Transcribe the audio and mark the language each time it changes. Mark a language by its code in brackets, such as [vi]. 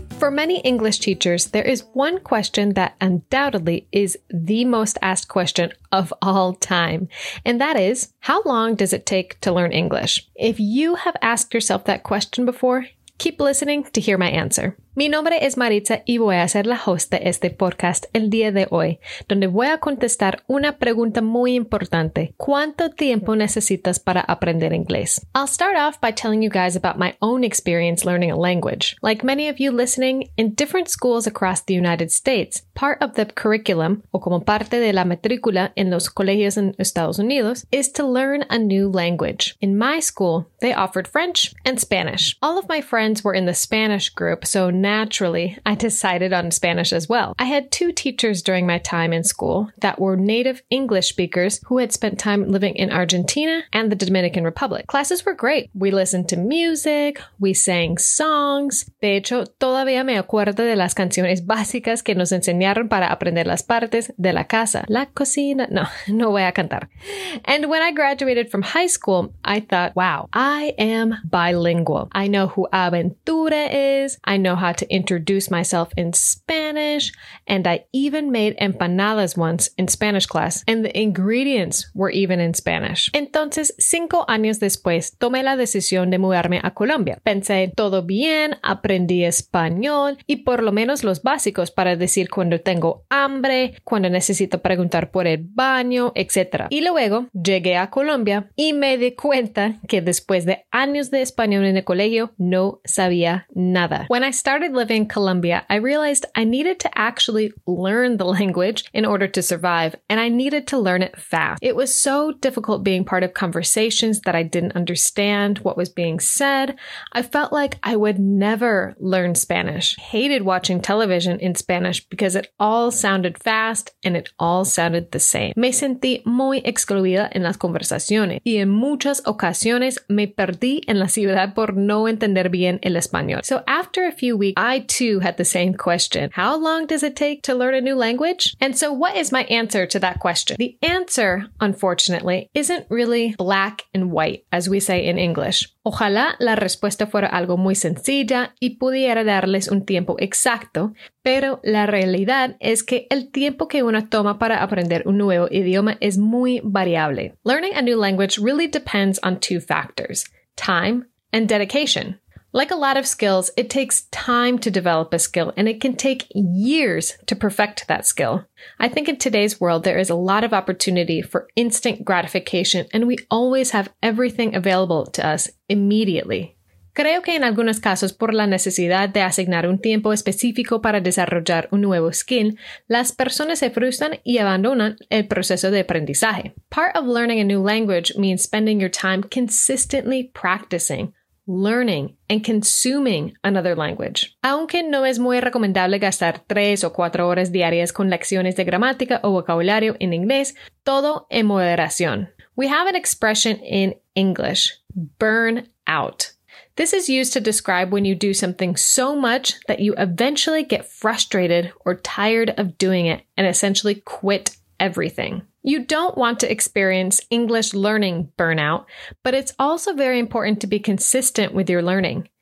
[en] many English teachers, there is one question that undoubtedly is the most asked question of all time. And that is, how long does it take to learn English? If you have asked yourself that question before, keep listening to hear my answer. [es] Mi nombre es Maritza y voy a ser la host de este podcast el día de hoy, donde voy a contestar una pregunta muy importante. ¿Cuánto tiempo necesitas para aprender inglés? [en] I'll start off by telling you guys about my own experience learning a language. Like many of you listening, in different schools across the United States, part of the curriculum, [es] o como parte de la matrícula en los colegios en Estados Unidos, [en] is to learn a new language. In my school, they offered French and Spanish. All of my friends were in the Spanish group, so naturally, I decided on Spanish as well. I had two teachers during my time in school that were native English speakers who had spent time living in Argentina and the Dominican Republic. Classes were great. We listened to music, we sang songs. [es] De hecho, todavía me acuerdo de las canciones básicas que nos enseñaron para aprender las partes de la casa. La cocina. No, no voy a cantar. [en] And when I graduated from high school, I thought, wow, I am bilingual. I know who Aventura is. I know how to introduce myself in Spanish, and I even made empanadas once in Spanish class, and the ingredients were even in Spanish. [es] Entonces, 5 años después, tomé la decisión de mudarme a Colombia. Pensé, todo bien, aprendí español, y por lo menos los básicos para decir cuando tengo hambre, cuando necesito preguntar por el baño, etc. Y luego, llegué a Colombia y me di cuenta que después de años de español en el colegio, no sabía nada. [en] When I started living in Colombia, I realized I needed to actually learn the language in order to survive, and I needed to learn it fast. It was so difficult being part of conversations that I didn't understand what was being said. I felt like I would never learn Spanish. I hated watching television in Spanish because it all sounded fast and it all sounded the same. [es] Me sentí muy excluida en las conversaciones y en muchas ocasiones me perdí en la ciudad por no entender bien el español. [en] So after a few weeks, I too had the same question. How long does it take to learn a new language? And so what is my answer to that question? The answer, unfortunately, isn't really black and white, as we say in English. [es] Ojalá la respuesta fuera algo muy sencilla y pudiera darles un tiempo exacto, pero la realidad es que el tiempo que uno toma para aprender un nuevo idioma es muy variable. [en] Learning a new language really depends on 2 factors, time and dedication. Like a lot of skills, it takes time to develop a skill, and it can take years to perfect that skill. I think in today's world, there is a lot of opportunity for instant gratification, and we always have everything available to us immediately. [es] Creo que en algunos casos, por la necesidad de asignar un tiempo específico para desarrollar un nuevo skill, las personas se frustran y abandonan el proceso de aprendizaje. [en] Part of learning a new language means spending your time consistently practicing, learning, and consuming another language. [es] Aunque no es muy recomendable gastar 3 o 4 horas diarias con lecciones de gramática o vocabulario en inglés, todo en moderación. [en] We have an expression in English, burn out. This is used to describe when you do something so much that you eventually get frustrated or tired of doing it and essentially quit everything. You don't want to experience English learning burnout, but it's also very important to be consistent with your learning.